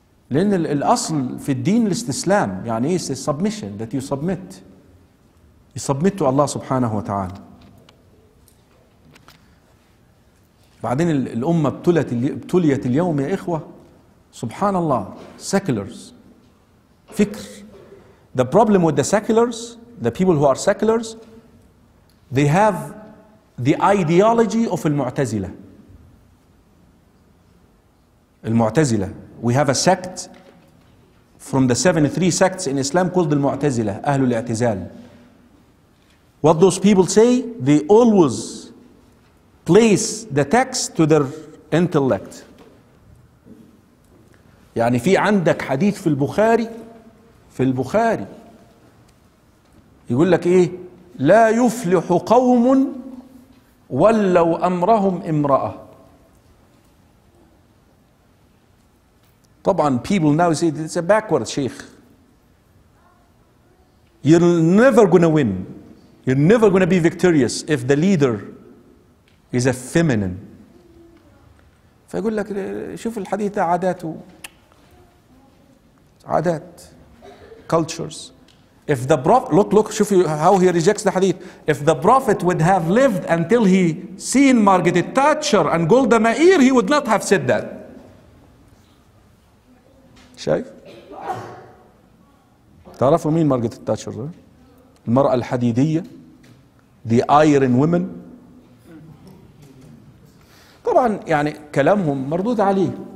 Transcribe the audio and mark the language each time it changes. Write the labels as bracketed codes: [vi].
[ar] لأن الأصل في الدين الاستسلام يعني [en] is a submission that you submit. You submit to Allah [ar] سبحانه وتعالى. بعدين الأمة ابتليت اليوم يا إخوة سبحان الله seculars فكر. [en] The problem with the seculars, the people who are seculars, they have the ideology of المعتزلة. المعتزلة. We have a sect from the 73 sects in Islam called المعتزلة, أهل الاعتزال. What those people say, they always place the text to their intellect. [ar] يعني في عندك حديث في البخاري, في البخاري يقول لك إيه, لا يفلح قوم ولوا أمرهم امرأة. [en] طبعا people now say it's a backward sheikh. You're never gonna win. You're never gonna be victorious if the leader is a feminine. [ar] فيقول لك شوف الحديث عادات عادات cultures. [en] If the prophet, look, شوف how he rejects the hadith. If the prophet would have lived until he seen Margaret Thatcher and Golda Meir, he would not have said that. [ar] شايف؟ تعرفوا مين مارغريت تاتشر؟ المرأة الحديدية, [en] the iron woman. [ar] طبعا يعني كلامهم مردود عليه.